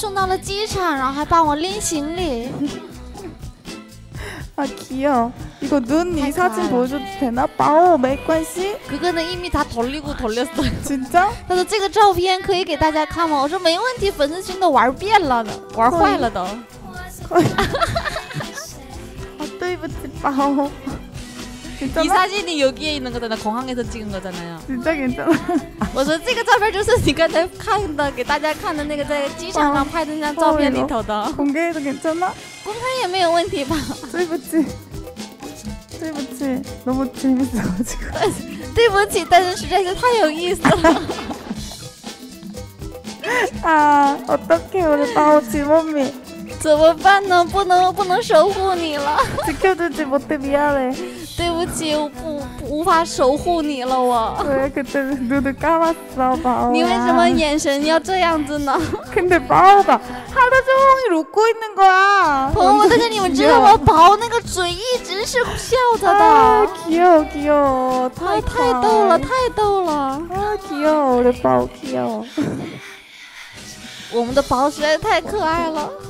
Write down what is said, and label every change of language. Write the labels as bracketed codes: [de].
[zh] 这些我们的粉丝给我一直送到了机场，然后还帮我拎行李。 [ko] 아 귀여워. 이거 눈 이 사진 보여줘도 되나? 빠오 메이크업시? 그거는 이미 다 돌리고 돌렸어요. 진짜? 그래서 지금 [zh] 照片可以给大家看吗?我说没问题，粉丝群都玩变了的，玩坏了的。 [ko] 아, [zh] 对不起, [ko] 빠오. 이 사진이 여기에 있는 거잖아. 공항에서 찍은 거잖아요. 진짜 괜찮아. 뭐죠? [zh] 이거 照片就是 [ko] 니가 내 카운터 [zh] 给大家看的那个 在机场上 拍的那张 照片里头的. [ko] 공개해도 괜찮아? [zh] 공개也没有问题吧. 对不起.对不起. [ko] 너무 재밌어가지고. [zh] 对不起. 但是实在是太有意思了. [ko] 아, 어떡해 우리 바오 지범이. [zh] 怎么办呢?不能守护你了. [ko] 지켜주지 못해 미안해. [zh] 对不起，我无法守护你了，我。对， [ko] 그때 눈을 감았어, 바오. [zh] 你为什么眼神要这样子呢? [ko] 근데 바오가 하루 종일 웃고 있는 거야. [zh] 보모, 但是你们知道吗? 바오那个嘴一直是笑着的。 [ko] 귀여워, 귀여워. [zh] 太逗了。 [ko] 아, 귀여워, 우리 바오 귀여워. [zh] 我们的宝实在是太可爱了。